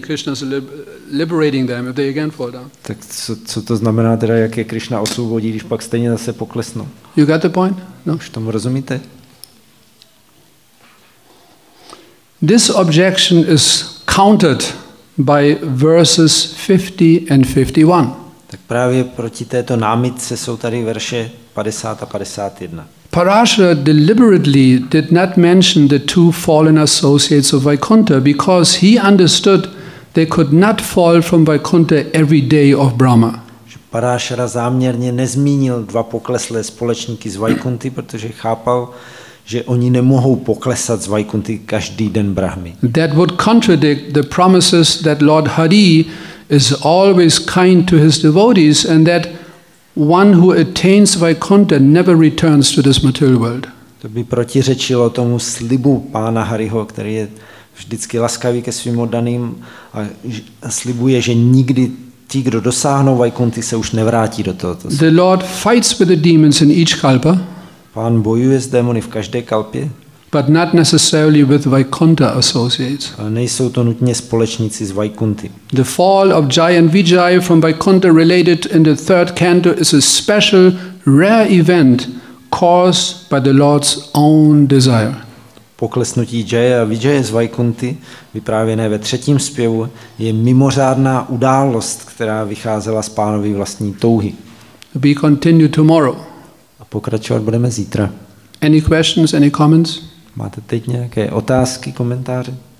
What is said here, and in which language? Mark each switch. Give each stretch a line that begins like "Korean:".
English: Krishna's liberating them if they again fall down.
Czech: Tak co to znamená teda, jak je Krishna osvobodí, když pak stejně zase poklesnou?
English: You got the point?
Czech: No. Už tomu rozumíte?
English: This objection is countered by verses 50 and 51.
Czech: Tak právě proti této námitce jsou tady verše 50 a 51.
English: Parashara deliberately did not mention the two fallen associates of Vaikuntha because he understood they could not fall from Vaikuntha every day of Brahma.
Czech: Parashara záměrně nezmínil dva pokleslé společníky z Vaikunty, protože chápal, že oni nemohou poklesat z Vaikunty každý den Brahmy.
English: That would contradict the promises that Lord Hari is always kind to his devotees and that one who attains Vaikuntha never returns to this material world.
Czech: To by protiřečilo tomu slibu pána Hariho, který je vždycky laskavý ke svým oddaným a slibuje, že nikdy ti, kdo dosáhnou Vaikunty, se už nevrátí do tohoto.
English: The Lord fights with the demons in each kalpa.
Czech: Pán bojuje s démony v každé kalpě.
English: But not necessarily with Vaikuntha associates.
Czech: A nejsou to nutně společníci z Vaikunty.
English: The fall of Jaya and Vijaya from Vaikuntha related in the third canto is a special rare event caused by the Lord's own desire.
Czech: Poklesnutí Jaya a Vijaya z Vaikunty, vyprávěné ve třetím zpěvu, je mimořádná událost, která vycházela z pánovy vlastní touhy.
English: We continue tomorrow.
Czech: A pokračovat budeme zítra.
English: Any questions, any comments?
Czech: Máte teď nějaké otázky, komentáře?